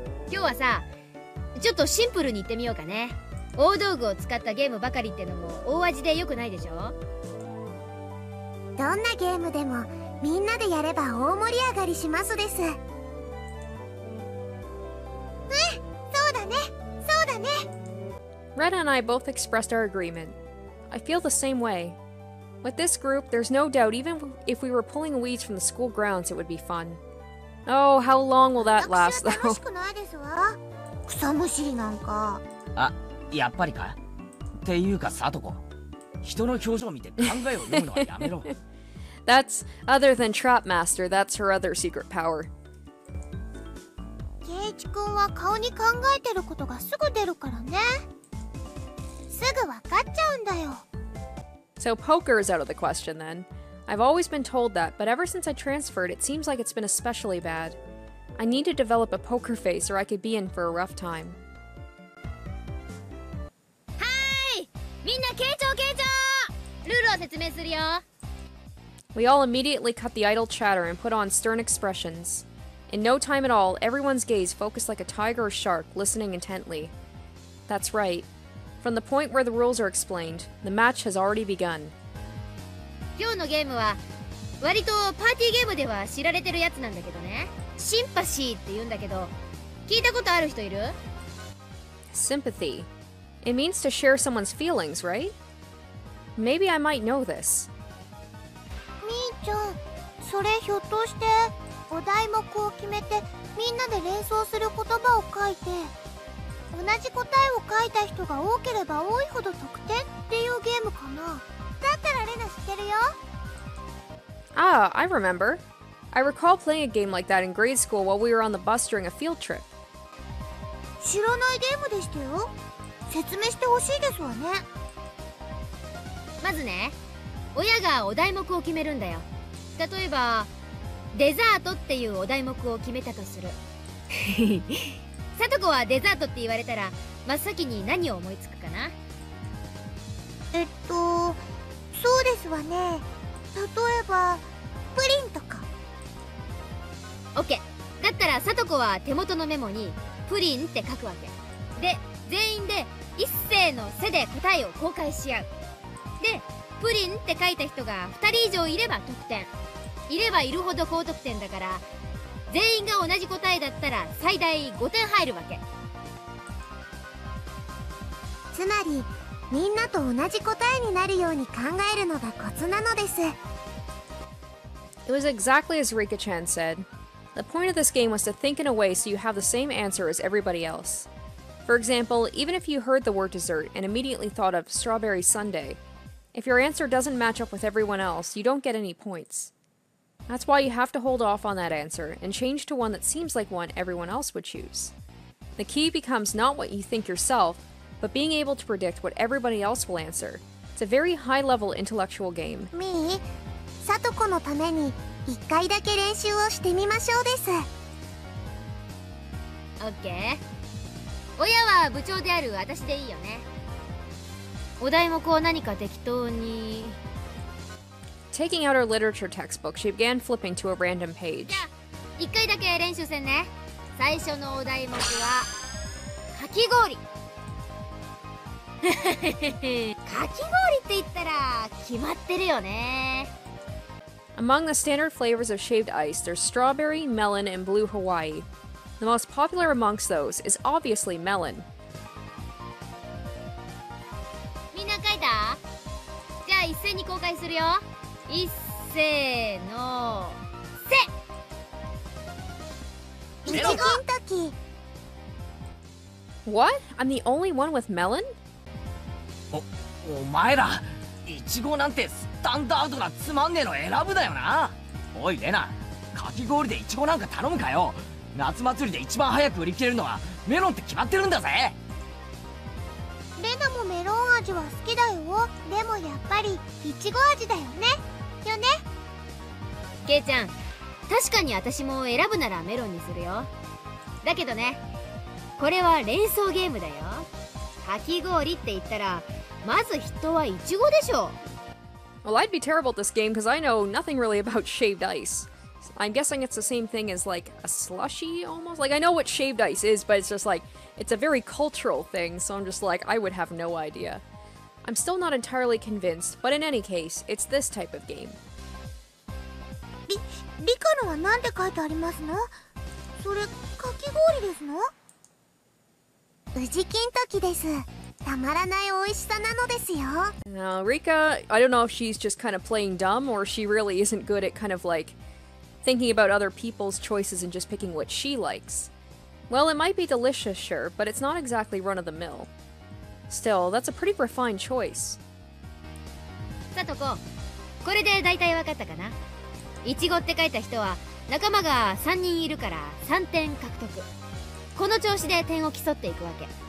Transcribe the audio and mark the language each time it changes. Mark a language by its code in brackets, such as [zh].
[ja] 今日はさ、ちょっとシンプルに言ってみようかね。大道具を使ったゲームばかりってのも大味で良くないでしょ。どんなゲームでもみんなでやれば大盛り上がりしますです。うん、そうだね、そうだね。 [en] Rena and I both expressed our agreement. I feel the same way. With this group, there's no doubt even if we were pulling weeds from the school grounds, it would be fun. Oh, how long will that last, though? [ja] 私は楽しくないですわ。草むしりなんか。あ、やっぱりか。っていうか、サトコ。人の表情見て考えを読むのはやめろ。 [en] That's other than Trap Master, that's her other secret power. [ja] ケイチ君は顔に考えてることがすぐ出るからね。すぐわかっちゃうんだよ。 [en] So poker is out of the question then. I've always been told that, but ever since I transferred, it seems like it's been especially bad. I need to develop a poker face or I could be in for a rough time. [ja] Hi! みんな傾聴傾聴!ルールを説明するよ! [en] We all immediately cut the idle chatter and put on stern expressions. In no time at all, everyone's gaze focused like a tiger or shark, listening intently. That's right. From the point where the rules are explained, the match has already begun. [ja] 今日のゲームは、割とパーティーゲームでは知られてるやつなんだけどね。シンパシーって言うんだけど、聞いたことある人いる? [en] Sympathy. It means to share someone's feelings, right? Maybe I might know this. [ja] みーちゃん、それひょっとして、お題目を決めてみんなで連想する言葉を書いて、同じ答えを書いた人が多ければ多いほど得点っていうゲームかな。だったらレナ知ってるよ。 [en] Ah, I remember. I recall playing a game like that in grade school while we were on the bus during a field trip. [ja] 知らないゲームでしたよ。説明してほしいですわね。まずね、親がお題目を決めるんだよ。例えばデザートっていうお題目を決めたとする。さとこはデザートって言われたら真っ先に何を思いつくかな。そうですわね。例えばプリンとか。 OK。だったらさとこは手元のメモにプリンって書くわけ。で、全員で一斉の背で答えを公開し合う。で、プリンって書いた人が2人以上いれば得点。いればいるほど高得点だから、全員が同じ答えだったら最大5点入るわけ。つまりみんなと同じ答えになるように考えるのがコツなのです。 [en] It was exactly as Rika-chan said. The point of this game was to think in a way so you have the same answer as everybody else. For example, even if you heard the word dessert and immediately thought of strawberry sundae, if your answer doesn't match up with everyone else, you don't get any points. That's why you have to hold off on that answer and change to one that seems like one everyone else would choose. The key becomes not what you think yourself, but being able to predict what everybody else will answer. It's a very high-level intellectual game. [ja] Me? Satoko のために一回だけ練習をしてみましょうです。 [en] Okay. [ja] 親は部長である私でいいよね。お題目を何か適当に… [en] Taking out her literature textbook, she began flipping to a random page. [ja] じゃあ、一回だけ練習せんね。最初のお題目は、かき氷。かき氷って言ったら、決まってるよね。 [en] Among the standard flavors of shaved ice, there's strawberry, melon, and blue Hawaii. The most popular amongst those is obviously melon. [ja] みんな書いた？じゃあ一斉に公開するよ。一斉のせ。いちごんとき。 [en] What? I'm the only one with melon? [ja] お前ら、いちごなんてスタンダードなつまんねえの選ぶだよな。おいレナ、かき氷でいちごなんか頼むかよ。夏祭りで一番早く売り切れるのはメロンって決まってるんだぜ。レナもメロン味は好きだよ。でもやっぱりいちご味だよね。よね、ケイちゃん、確かに私も選ぶならメロンにするよ。だけどね、これは連想ゲームだよ。かき氷って言ったら、まず人はイチゴでしょう。 [en] Well, I'd be terrible at this game because I know nothing really about shaved ice. I'm guessing it's the same thing as like a slushy almost. Like, I know what shaved ice is, but it's just like, it's a very cultural thing, so I'm just like, I would have no idea. I'm still not entirely convinced, but in any case, it's this type of game. [ja] Rika のは何て書いてありますの？それ、かき氷ですの？宇治金時です。たまらない美味しさなのですよ。 [en] Rika, I don't know if she's just kind of playing dumb or she really isn't good at kind of like thinking about other people's choices and just picking what she likes. Well, it might be delicious, sure, but it's not exactly run of the mill. Still, that's a pretty refined choice. [ja] さとこ、これで大体わかったかな。いちごって書いた人は仲間が3人いるから3点獲得。この調子で点を競っていくわけ。